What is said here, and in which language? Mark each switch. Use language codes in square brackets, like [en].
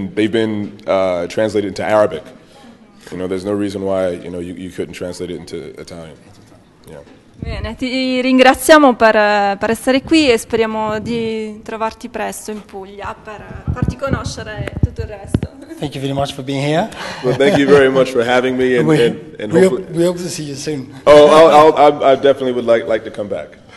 [en] They've been translated into Arabic. You know, there's no reason why you couldn't translate it into Italian. Yeah. [it] Bene, ti ringraziamo per essere qui e speriamo di trovarti presto in Puglia per farti conoscere tutto il resto. [en] Thank you very much for being here. Well, thank you very much for having me, and hopefully we hope to see you soon. Oh, I definitely would like to come back.